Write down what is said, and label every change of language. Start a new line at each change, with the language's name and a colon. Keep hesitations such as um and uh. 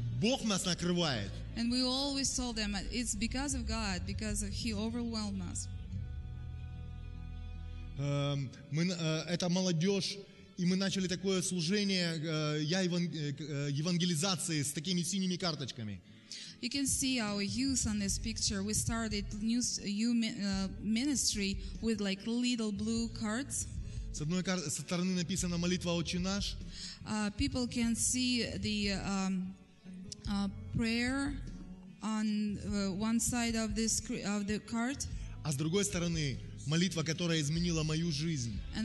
English: and we always told them it's because of God, because of He overwhelmed us.
Russian: мы, это молодежь, и мы начали такое служение я еван, евангелизации с такими синими карточками.
English: You can see our youth on this picture. We started new ministry with like little blue cards.
Russian: С одной кар- стороны написана молитва Отче наш.
English: Uh, people can see the um, uh, prayer on one side of the, screen, of the card.
Russian: А с другой стороны Молитва, которая изменила мою жизнь.